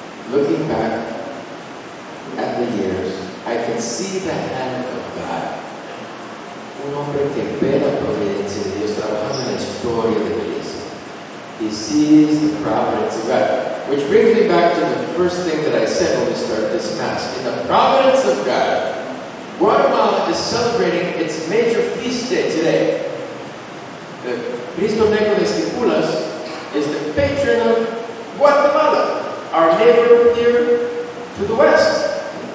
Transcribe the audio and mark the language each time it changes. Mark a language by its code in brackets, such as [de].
[en] Looking back at the years, I can see the hand of God. [es] Un hombre que ve la providencia de Dios trabajando en la historia de Dios. [en] He sees the providence of God. Which brings me back to the first thing that I said when we started this Mass. In the providence of God, Guatemala is celebrating its major feast day today. The Cristo Negro de Esquipulas is the patron of Guatemala, our neighbor here to the west.